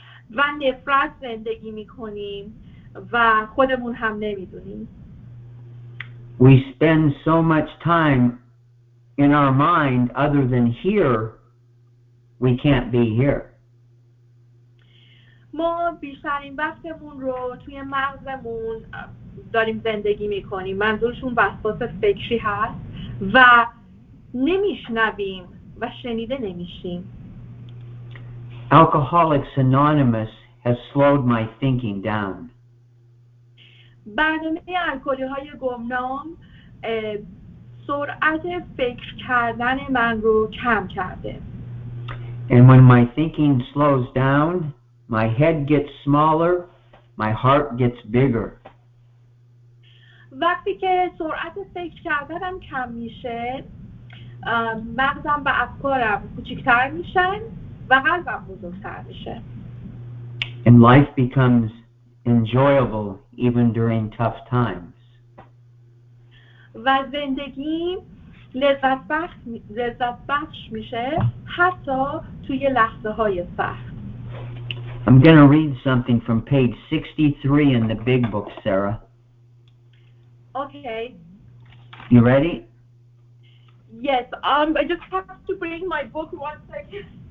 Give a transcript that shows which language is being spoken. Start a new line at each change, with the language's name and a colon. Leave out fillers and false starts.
Persian: و نفرت زندگی میکنیم و خودمون هم نمیدونیم.
English: We spend so much time in our mind other than here, we can't be here.
Persian: ما بیشترین وقتمون رو توی مغزمون داریم زندگی میکنیم. منظورشون وسواس فکری هست و نمیشنویم و شنیده نمیشیم.
English: Alcoholics Anonymous has slowed my thinking down.
Persian: برنامه الکلی‌های گمنام سرعت فکر کردن من رو کم کرده.
English: And when my thinking slows down, my head gets smaller, my heart gets bigger.
Persian: وقتی که سرعت فکر کردنم کم میشه، مغزم و افکارم کوچیک‌تر میشن و قلبم بزرگتر میشه.
English: And life becomes enjoyable even during tough times.
Persian: و زندگی لذت بخش میشه حتی توی لحظه های سخت.
English: I'm going to read something from page 63 in the big book, Sarah. Okay. You ready? Yes, I just have to bring my book one second.